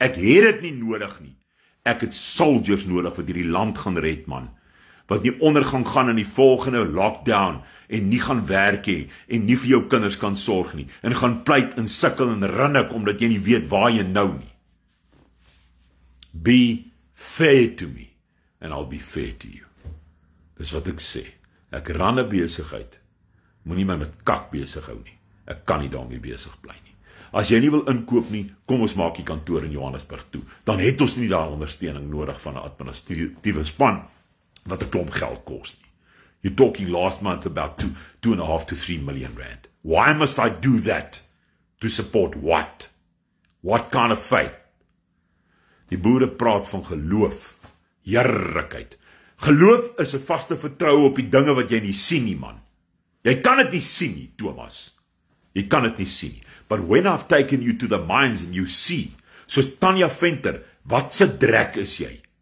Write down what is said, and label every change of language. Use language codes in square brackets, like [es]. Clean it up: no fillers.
[af] Ek het dit nie nodig nie. Ek het soldiers nodig wat hierdie land gaan red, man. Wat nie ondergang gaan in die volgende lockdown en nie gaan werk hê en nie vir jou kinders kan sorg nie en gaan pleit en sukkel en rinnik omdat jy nie weet waar jy nou nie. [en] Be fair to me and I'll be fair to you. [af] Dis wat ek sê. Ek ran 'n besigheid. Moenie my met kak besig hou nie. Ek kan nie daarmee besig bly nie. As jy nie wil inkoop nie, kom ons maak die kantoor in Johannesburg toe. Dan het ons nie daar ondersteuning nodig van 'n administratiewe span wat 'n klomp geld kos nie. [en] You're talking last month about 2.5 to 3 million rand. Why must I do that? To support what? What kind of faith? [af] Die boere praat van geloof. Heerlikheid. Geloof is 'n vaste vertroue op die dinge wat jy nie sien nie, man. Jy kan dit nie sien nie, Thomas. Jy kan dit nie sien nie. [en] But when I've taken you to the mines and you see, [af] soos Tanya Venter, wat se drek is jy?